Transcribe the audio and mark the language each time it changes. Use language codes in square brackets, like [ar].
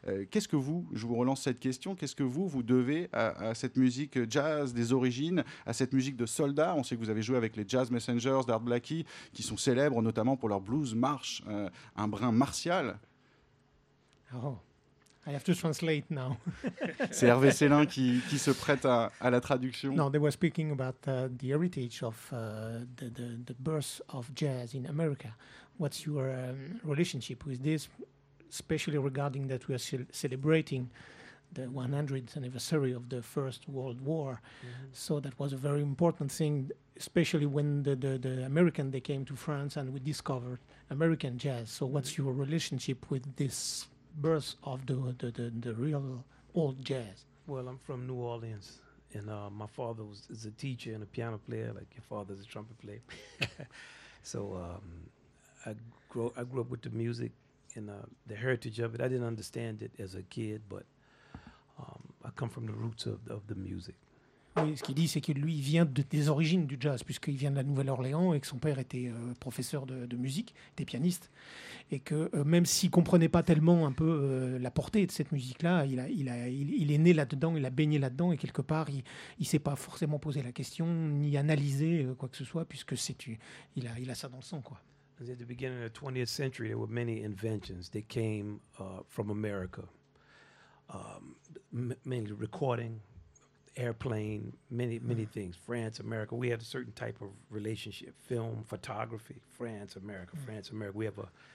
[fr] Qu'est-ce que vous, je vous relance cette question, qu'est-ce que vous devez à cette musique jazz des origines, à cette musique de soldats? On sait que vous avez joué avec les Jazz Messengers d'Art Blakey qui sont célèbres notamment pour leur blues march, un brin martial. [en] Oh, I have to translate now. [fr] C'est Hervé Célin qui se prête à la traduction. [en] No, they were speaking about the heritage of the birth of jazz in America. What's your relationship with this, especially regarding that we are celebrating the 100th anniversary of the First World War? So that was a very important thing, especially when the American, they came to France and we discovered American jazz. So what's your relationship with this birth of the real old jazz? Well, I'm from New Orleans, and my father is a teacher and a piano player, like your father is a trumpet player. So I grew up with the music and the heritage of it. I didn't understand it as a kid, but I come from the roots of the music. [fr] Oui, ce qu'il dit, c'est que lui, il vient des origines du jazz, puisqu'il vient de la Nouvelle-Orléans et que son père était professeur de musique, était pianiste. Et que même s'il ne comprenait pas tellement un peu la portée de cette musique-là, il est né là-dedans, il a baigné là-dedans, et quelque part, il ne s'est pas forcément posé la question, ni analysé quoi que ce soit, puisque il a ça dans le sang, quoi. [en] At the beginning of the 20th century, there were many inventions that came from America. Mainly recording, airplane, many, many things. France, America, we had a certain type of relationship. Film, photography, France, America, France, America. We have a...